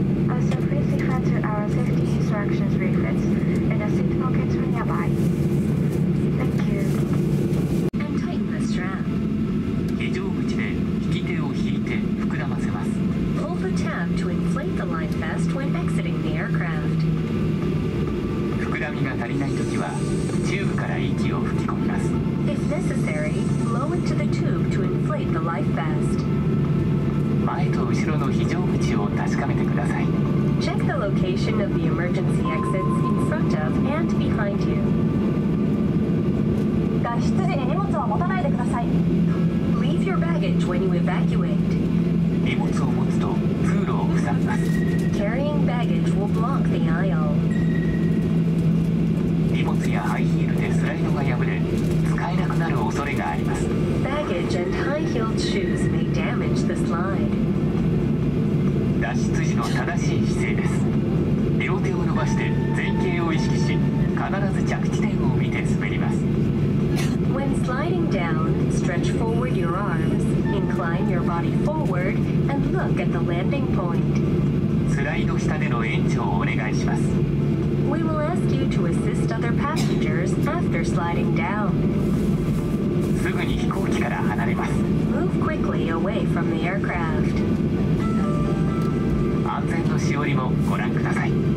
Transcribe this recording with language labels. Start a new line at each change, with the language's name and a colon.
English: Also, please refer to our safety instructions leaflets in the seat pockets nearby. Thank you. And tighten the strap.
Japanese: 非常口で引き手を引いて膨らませます。
English: Pull the tab to inflate the life vest when exiting the aircraft.
Japanese: 膨らみが足りないときはチューブから息を吹き込みます。
English: If necessary, blow into the tube to inflate the life vest.
Japanese: 前と後ろの非常口を確かめてください。
English: Check the location of the emergency exits in front of and behind you.
Japanese: 脱出時に荷物は持たないでください。
English: Leave your baggage when you evacuate.
Japanese: 荷物を持つと通路を塞ぎます。
English: Carrying baggage will block the aisle.
Japanese: 荷物やハイヒールでスライドが破れ、使えなくなる恐れがあります。
English: Baggage and high-heeled shoes may damage the slide.
Japanese: 脱出時の正しい姿勢です。両手を伸ばして前傾を意識し、必ず着地点を見て滑ります。
English: When sliding down, stretch forward your arms, incline your body forward, and look at the landing point.
Japanese: スライド下での延長をお願いします。
English: We will ask you to assist other passengers after sliding down.
Japanese: すぐに飛行機から離れます。
English: Move quickly away from the aircraft.
Japanese: 安全のしおりもご覧ください。